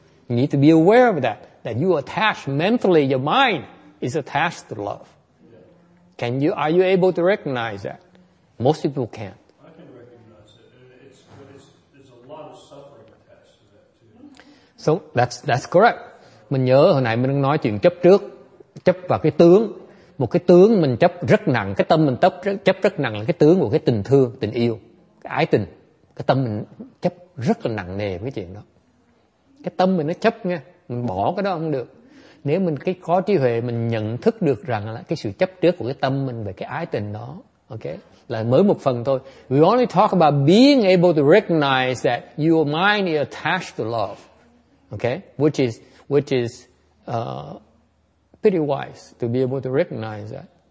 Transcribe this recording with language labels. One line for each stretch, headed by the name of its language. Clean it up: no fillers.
English: You need to be aware of that, that you attach mentally, your mind is attached to love. Are you able to recognize that? Most people can't. I can recognize it. There's a lot of suffering attached to that too. So that's correct.
Vietnamese: Mình nhớ hồi nãy mình đang nói chuyện chấp trước, chấp vào cái tướng. Một cái tướng mình chấp rất nặng, cái tâm mình chấp rất nặng là cái tướng của cái tình thương, tình yêu, cái ái tình. Cái tâm mình chấp rất là nặng nề cái chuyện đó. Cái tâm mình nó chấp nha, mình bỏ cái đó không được. Nếu mình cái có trí huệ mình nhận thức được rằng là cái sự chấp trước của cái tâm mình về cái ái tình đó, ok, là mới một phần thôi.
English: We only talk about being able to recognize that your mind is attached to love, ok, which is pretty wise to be able to recognize that.